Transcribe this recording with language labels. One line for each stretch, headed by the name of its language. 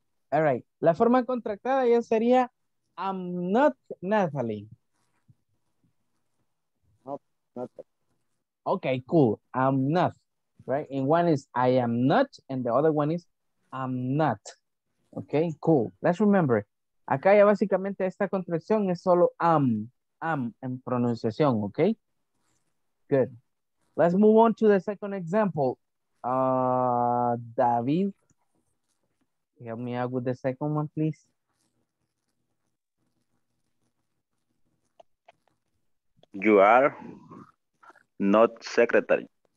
Spanish: All right. La forma contractada ya sería
English: I'm not Natalie. Not Nathan. Okay, cool. I'm not. Right? And one is I am not, and the other one is I'm not. Okay, cool. Let's remember.
Spanish: Acá ya básicamente esta contracción es solo am en pronunciación, okay?
English: Good. Let's move on to the second example. David, help me out with the second one, please. You are not secretary.